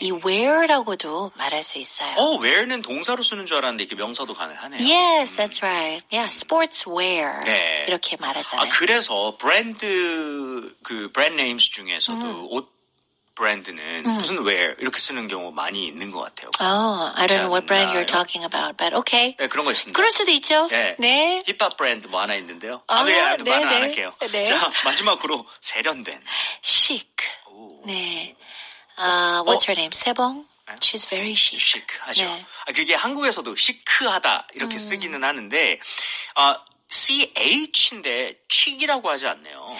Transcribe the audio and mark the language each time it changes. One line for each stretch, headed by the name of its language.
Korean: 이 wear라고도 말할 수 있어요. wear는 동사로 쓰는 줄 알았는데 이게 명사도 가능하네요.
English: Yes, that's right. Yeah, sports wear.
Korean: 네. 이렇게 말하잖아요. 아, 그래서
English: brand names
Korean: 중에서도 옷 브랜드는 무슨 where 이렇게 쓰는 경우 많이 있는 것 같아요.
English: Oh, I don't know what brand you're talking about, but okay.
Korean: 네, 그런 거 있습니다. 그럴 수도 있죠. 네. 네. 힙합 브랜드 뭐 하나 있는데요. 아, 네, 아무튼 네, 말은 네. 안 할게요. 네. 자, 마지막으로 세련된.
English: Chic.
Korean: 오. 네.
English: What's her name? 세봉? She's very chic.
Korean: Chic 하죠. 네. 아, 그게 한국에서도 시크하다 이렇게 쓰기는 하는데, CH인데 chic이라고 하지 않네요.